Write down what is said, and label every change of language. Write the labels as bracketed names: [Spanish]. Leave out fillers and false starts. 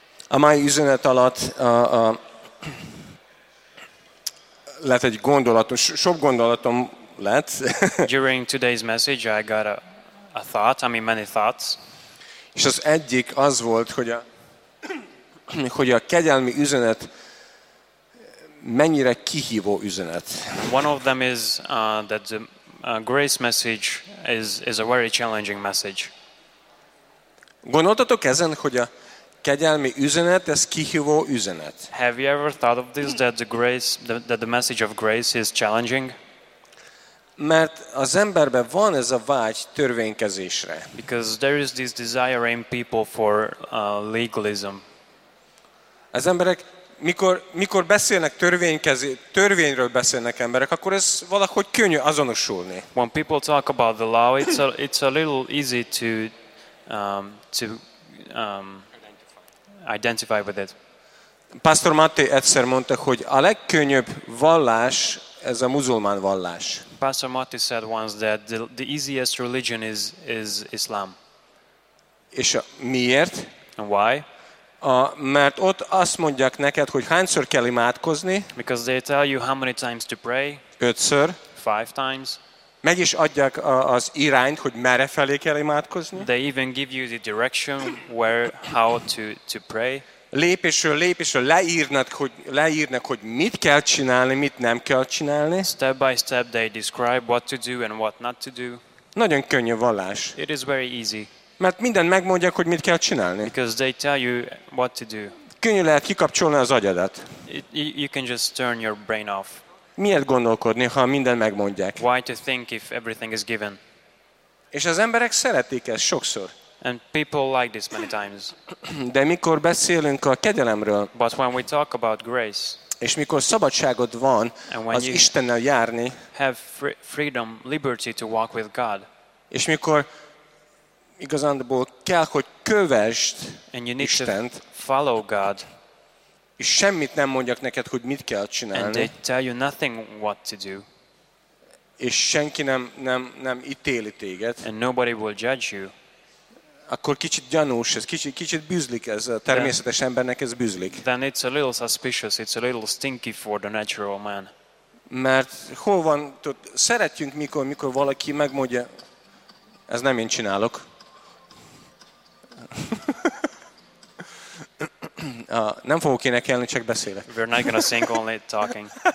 [Hungarian] A mai üzenet alatt lett egy gondolatom, sok gondolatom lett. [English] During today's message, I got a thought. I mean, many thoughts. [Hungarian] És az egyik az volt, hogy a kegyelmi üzenet mennyire kihívó üzenet. [English] One of them is that the grace message is a very challenging message. [Hungarian] Gondoltatok ezen, hogy a kegyelmi üzenet, ez kihívó üzenet. [English] Have you ever thought of this, that the grace, that the message of grace is challenging? [Hungarian] Mert az emberben van ez a vágy törvénykezésre. [English] Because there is this desire in people for legalism. [Hungarian] Az emberek, mikor beszélnek törvényről beszélnek emberek, akkor ez valahogy könnyű azonosulni. [English] When people talk about the law, it's a little easy to identify with it. [Hungarian] Pastor Matti egyszer mondta, hogy a legkönnyebb vallás ez a muzulmán vallás. [English] Pastor Matti said once that the easiest religion is Islam. [Hungarian] És miért? [English] And why? [Hungarian] Mert ott azt mondják neked, hogy hányszor kell imádkozni? [English] Because they tell you how many times to pray. [Hungarian] Ötször. [English] Five times. [Hungarian] Meg is adják az irányt, hogy merre felé kell imádkozni. [English] They even give you the direction where how to pray. [Hungarian] Lépésről lépésről leírnak, hogy mit kell csinálni, mit nem kell csinálni. [English] Step by step they describe what to do and what not to do. [Hungarian] Nagyon könnyű vallás. [English] It is very easy. [Hungarian] Mert mindent megmondják, hogy mit kell csinálni. [English] Because they tell you what to do. [Hungarian] Könnyű lehet kikapcsolni az agyadat. [English] You can just turn your brain off. [Hungarian] Miért gondolkodni, ha minden megmondják? [English] Why to think if everything is given? [Hungarian] És az emberek szeretik ezt sokszor. [English] And people like this many times. [Hungarian] De mikor beszélünk a kegyelemről, [English] but when we talk about grace, [Hungarian] és mikor szabadságod van az Istennel járni, [English] have freedom, liberty to walk with God, [Hungarian] és mikor igazándiból kell, hogy kövesd Istent, [English] follow God, [Hungarian] és semmit nem mondjak neked, hogy mit kell csinálni. [English] And they tell you nothing what to do. [Hungarian] És senki nem ítéli téged. [English] And nobody will judge you. [Hungarian] Akkor kicsit gyanús ez, kicsit bűzlik ez, a természetes embernek ez bűzlik. [English] Then it's a little suspicious, it's a little stinky for the natural man. [Hungarian] Mert hol van, tud, szeretjünk, mikor valaki megmondja, ez nem én csinálok. Nem fogok énekelni, csak beszélek. [English] We're not gonna sing, only talking.